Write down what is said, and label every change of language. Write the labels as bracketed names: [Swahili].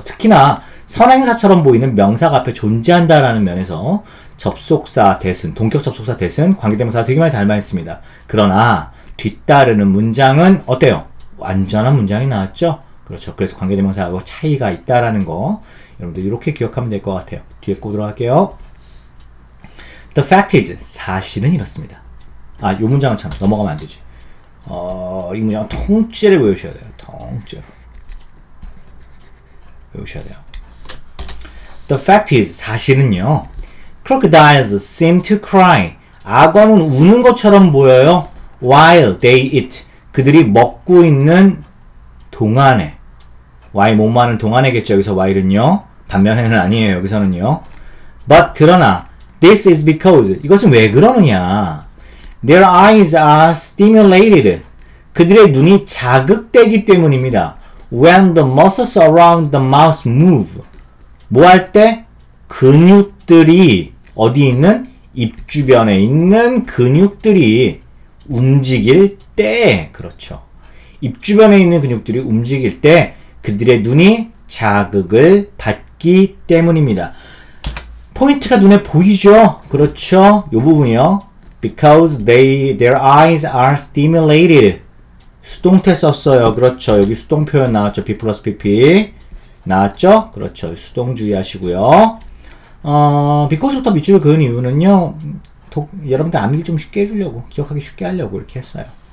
[Korean] 특히나 선행사처럼 보이는 명사가 앞에 존재한다라는 면에서 접속사 대신, 동격 접속사 대신 관계대명사가 되게 많이 닮아있습니다. 그러나 뒤따르는 문장은 어때요? 완전한 문장이 나왔죠? 그렇죠. 그래서 관계대명사하고 차이가 있다라는 거 여러분들 이렇게 기억하면 될 것 같아요. 뒤에 꼬도록 할게요. [English] The fact is, [Korean] 사실은 이렇습니다. 아, 요 문장은 참 넘어가면 안 되지. 이 문장은 통째로 외우셔야 돼요. 통째로. 외우셔야 돼요. [English] The fact is, [Korean] 사실은요. [English] Crocodiles seem to cry. [Korean] 악어는 우는 것처럼 보여요. [English] While they eat. [Korean] 그들이 먹고 있는 동안에. Why 뭐뭐 하는 동안에겠죠. 여기서 while은요. 반면에는 아니에요. 여기서는요. [English] But 그러나, this is because. [Korean] 이것은 왜 그러느냐. [English] Their eyes are stimulated. [Korean] 그들의 눈이 자극되기 때문입니다. [English] When the muscles around the mouth move. [Korean] 뭐 할 때? 근육들이 어디 있는? 입 주변에 있는 근육들이 움직일 때. 그렇죠. 입 주변에 있는 근육들이 움직일 때 그들의 눈이 자극을 받기 때문입니다. 포인트가 눈에 보이죠? 그렇죠. 요 부분이요. [English] Because their eyes are stimulated. [Korean] 수동태 썼어요. 그렇죠. 여기 수동 표현 나왔죠. be plus pp 나왔죠? 그렇죠. 수동 주의하시고요. because부터 밑줄을 그은 이유는요. 여러분들 암기 좀 쉽게 해주려고, 기억하기 쉽게 하려고 이렇게 했어요.